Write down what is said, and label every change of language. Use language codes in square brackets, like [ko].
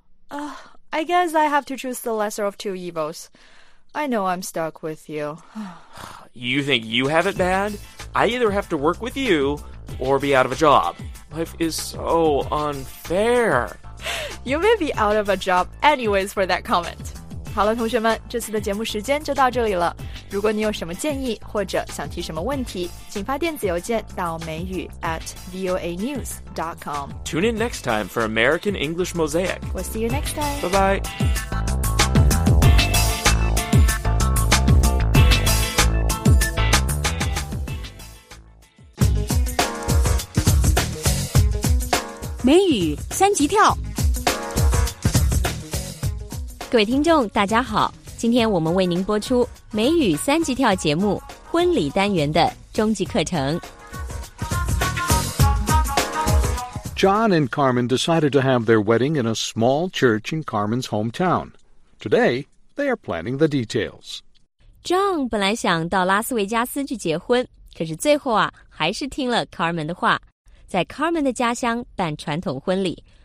[en] I guess I have to choose the lesser of two evils. I know I'm stuck with you. You think you have it bad? I either have to work with you or be out of a job. Life is so unfair. You may be out of a job anyways for that comment. [zh] 好了，同学们，这次的节目时间就到这里了。如果你有什么建议或者想提什么问题，请发电子邮件到美语@voanews.com. [en] Tune in next time for American English Mosaic. We'll see you next time. Bye-bye. [zh] 美语三级跳，各位听众大家好，今天我们为您播出美语三级跳节目婚礼单元的终极课程。 [en] John and Carmen decided to have their wedding in a small church in Carmen's hometown. Today, they are planning the details. [zh] John 本来想到拉斯维加斯去结婚，可是最后啊，还是听了 Carmen 的话，在 Carmen 的家乡办传统婚礼。